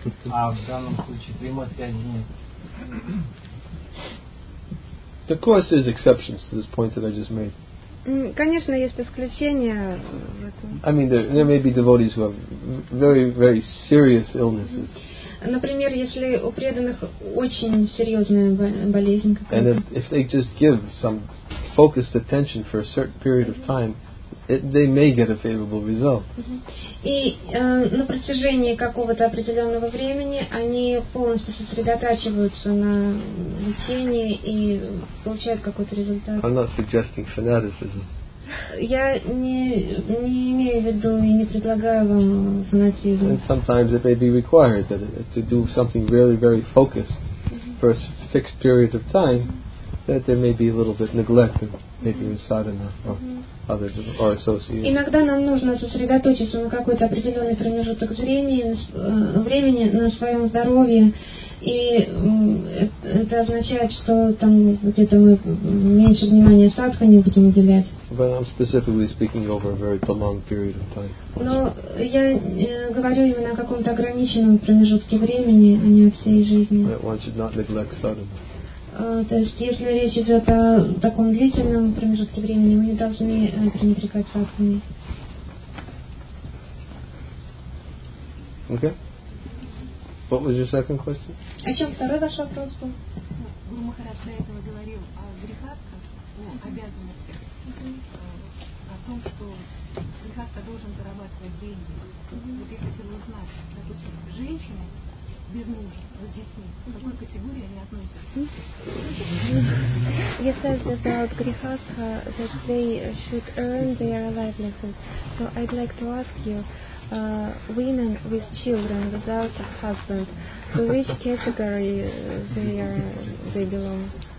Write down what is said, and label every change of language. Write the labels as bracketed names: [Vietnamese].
[Russian] А в данном случае прямой связи нет. [English] Of course, there's exceptions to this point that I just made. [Russian] Конечно, есть исключения. [English] There may be devotees who have very, very serious illnesses. [Russian] Например, если у преданных очень серьезная болезнь какая-то. [English] And if they just give some focused attention for a certain period of time, they may get a favorable result. [Russian] И на протяжении какого-то определенного времени они полностью сосредотачиваются на лечении и получают какой-то результат. [English] I'm not suggesting fanaticism. [Russian] Я не имею в виду и не предлагаю вам фанатизм. [English] And sometimes it may be required that to do something really very focused for a fixed period of time, that there may be a little bit neglected. Maybe in sadhana or associated. [Russian] Иногда нам нужно сосредоточиться на какой-то определенный промежуток времени на своем здоровье, и это означает, что там где-то мы меньше внимания садхане будем уделять. [English] But I'm specifically speaking over a very prolonged period of time. [Russian] Но я говорю именно о каком-то ограниченном промежутке времени, а не о всей жизни. [English] That one should not neglect sadhana. [Russian] То есть, если речь идет о таком длительном промежутке времени, мы не должны пренебрегать садхане. [English] Okay. What was your second question? [Russian] О чем второй ваш вопрос был? Гуру Махарадж до этого говорил о грехастхе, о обязанностях, о том, что грехастха должен зарабатывать. зарабатывать деньги. Вот я хотела узнать, допустим, женщины без мужа, вот здесь нет, к какой категории они относятся? [English] You said that about Grihastha, that they should earn their livelihood. So I'd like to ask you, women with children without a husband, to which category they belong?